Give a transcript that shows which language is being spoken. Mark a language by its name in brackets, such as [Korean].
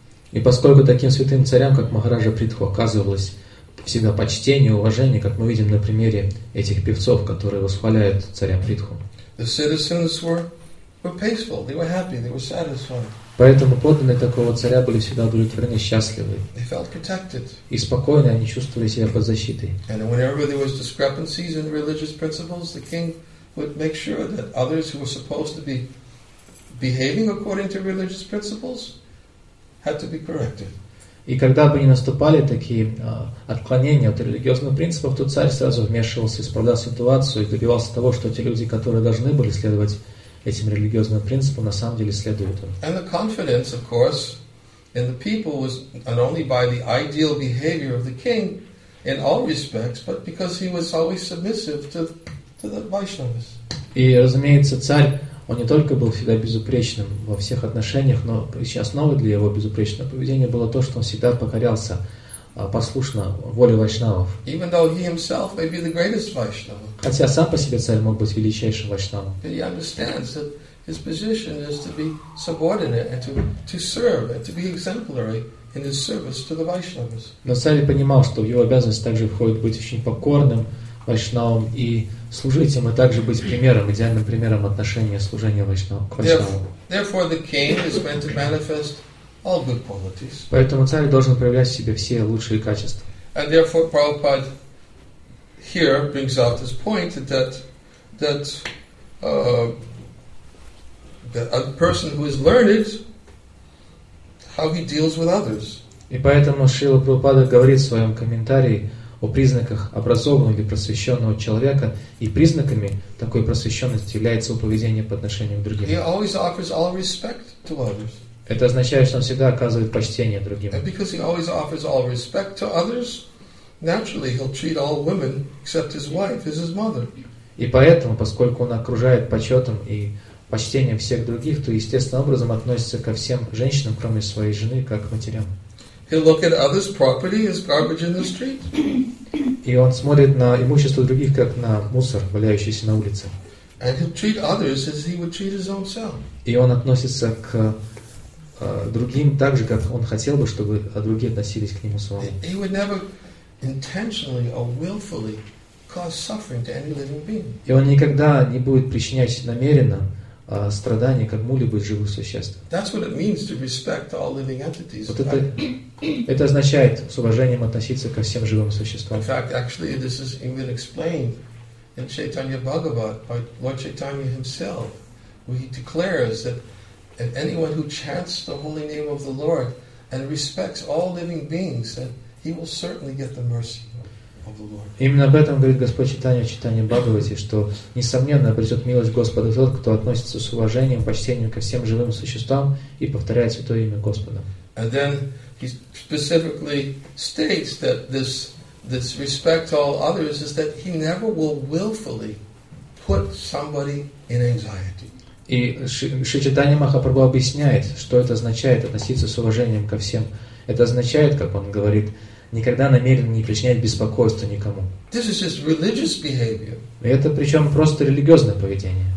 [Russian] И поскольку таким святым царям, как Махараджа Притху, оказывалось всегда почтение, уважение, как мы видим на примере этих певцов, которые восхваляют царя Притху. [English] The citizens were peaceful, they were happy, they were satisfied. [Russian] Поэтому подданные такого царя были всегда удовлетворены, счастливы. [English] They felt protected. [Russian] И спокойно они чувствовали себя под защитой. [English] And whenever there was discrepancies in religious principles, the king would make sure that others who were supposed to be behaving according to religious principles had to be corrected. [Russian] И когда бы ни наступали такие отклонения от религиозных принципов, то царь сразу вмешивался, исправлял ситуацию и добивался того, что те люди, которые должны были следовать этим религиозным принципам, на самом деле следуют им. [English] And the confidence, of course, in the people was not only by the ideal behavior of the king in all respects, but because he was always submissive to the Vaishnavas. [Russian] И, разумеется, царь, он не только был всегда безупречным во всех отношениях, но основой для его безупречного поведения было то, что он всегда покорялся послушно воле вайшнавов. [English] Even though he himself may be the greatest Vaishnava. [Russian] Хотя сам по себе царь мог быть величайшим вайшнавом. [English] But he understands that his position is to be subordinate and to serve and to be exemplary in his service to the Vaishnavas. [Russian] Но царь понимал, что в его обязанность также входит быть очень покорным вайшнавом и служить им, и также быть примером, идеальным примером отношения служения вайшнавам к вайшнавам. [English] Therefore, the king is meant to manifest all good qualities. [Russian] Поэтому царь должен проявлять в себе все лучшие качества. [English] And therefore, Prabhupada here brings out this point that a person who is learned, how he deals with others. [Russian] И поэтому Шрила Прабхупада говорит в своем комментарии о признаках образованного или просвещенного человека, и признаками такой просвещенности является поведение по отношению к другим. [English] He always offers all respect to others. [Russian] Это означает, что он всегда оказывает почтение другим. [English] And because he always offers all respect to others, naturally he'll treat all women except his wife as his mother. [Russian] И поэтому, поскольку он окружает почетом и почтением всех других, то естественным образом относится ко всем женщинам, кроме своей жены, как к матерям. [English] He'll look at others' property as garbage in the street. [Russian] И он смотрит на имущество других как на мусор, валяющийся на улице. [English] And he'll treat others as he would treat his own self. [Russian] И он относится к другим так же, как он хотел бы, чтобы другие относились к нему самому. [English] He would never intentionally or willfully cause suffering to any living being. [Russian] И он никогда не будет причинять намеренно страдания кому-либо из живых существ. [English] That's what it means to respect all living entities. [Russian] Вот это означает с уважением относиться ко всем живым существам. [English] In fact, actually, this is even explained in Chaitanya Bhagavat by Lord Chaitanya himself, where he declares that anyone who chants the holy name of the Lord and respects all living beings, then he will certainly get the mercy. [Russian] Именно об этом говорит Господь Читания в Читании Бхагавате, что несомненно обретет милость Господа тот, кто относится с уважением, почтением ко всем живым существам и повторяет святое имя Господа. [English] And then he specifically states that this respect to all others is that he never will willfully put somebody in anxiety. [Russian] И Шри Читания Махапрабху объясняет, что это означает относиться с уважением ко всем. Это означает, как он говорит, никогда намеренно не причинять беспокойство никому. [English] This is just religious behavior. [Russian] Это причем просто религиозное поведение.